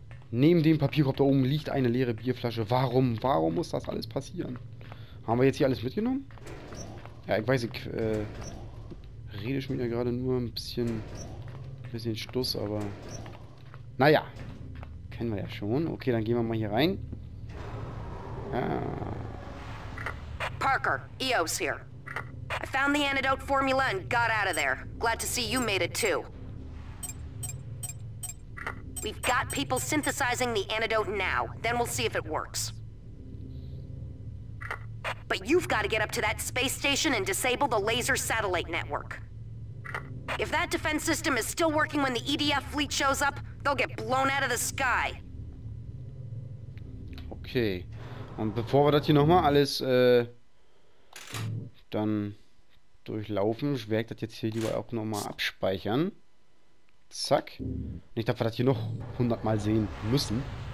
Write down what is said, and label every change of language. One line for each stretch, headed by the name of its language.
German: Neben dem Papierkorb da oben liegt eine leere Bierflasche. Warum? Warum muss das alles passieren? Haben wir jetzt hier alles mitgenommen? Ja, ich weiß, ich rede schon wieder gerade nur ein bisschen Stuss, aber... Naja. Kennen wir ja schon. Okay, dann gehen wir mal hier rein. Ja.
English: Parker, EO's here. I found the antidote formula and got out of there. Glad to see you made it too. We've got people synthesizing the antidote now. Then we'll see if it works. But you've got to get up to that space station and disable the laser satellite network. If that defense system is still working when the EDF fleet shows up, they'll get blown out of the sky. Okay.
German: Und bevor wir das hier nochmal alles, dann durchlaufen, ich werde das jetzt hier lieber auch nochmal abspeichern. Zack. Nicht, dass wir das hier noch 100 Mal sehen müssen.